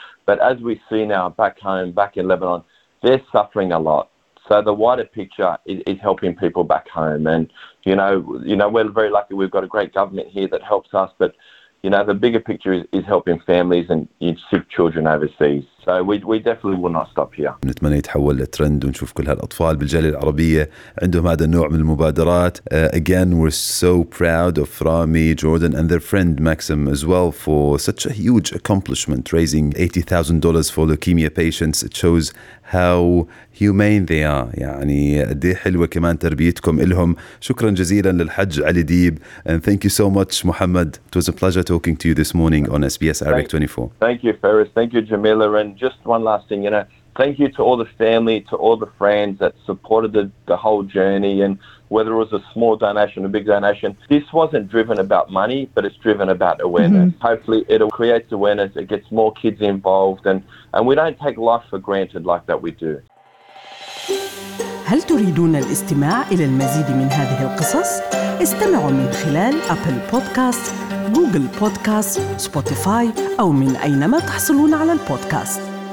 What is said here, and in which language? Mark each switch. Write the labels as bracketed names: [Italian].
[English] But as we see now back home, back in Lebanon, they're suffering a lot. So the wider picture is helping people back home. And, you know, we're very lucky. We've got a great government here that helps us. But, you know, the bigger picture is helping families and sick children overseas. So we definitely will not stop here. [Arabic] نتمنى يتحول لترند ونشوف كل هالأطفال بالجالية العربية عندهم هذا النوع من المبادرات. [English] Again, we're so proud of Rami, Jordan and their friend Maxim as well for such a huge accomplishment, raising $80,000 for leukemia patients. It shows how humane they are. [Arabic] يعني دي حلوة كمان تربيتكم إلهم. شكرا جزيلا للحج علي ديب [English] and thank you so much [Arabic] محمد. [English] It was a pleasure talking to you this morning on SBS Arabic 24. Thank you Ferris, thank you Jamila, and just one last thing, you know, thank you to all the family, to all the friends that supported the whole journey, and whether it was a small donation or a big donation, this wasn't driven about money, but it's driven about awareness. Mm-hmm. Hopefully it'll create awareness, it gets more kids involved, and we don't take life for granted like that we do. [Arabic] هل تريدون الاستماع إلى المزيد من هذه القصص؟ استمعوا من خلال أبل بودكاست، جوجل بودكاست، سبوتيفاي أو من أينما تحصلون على البودكاست.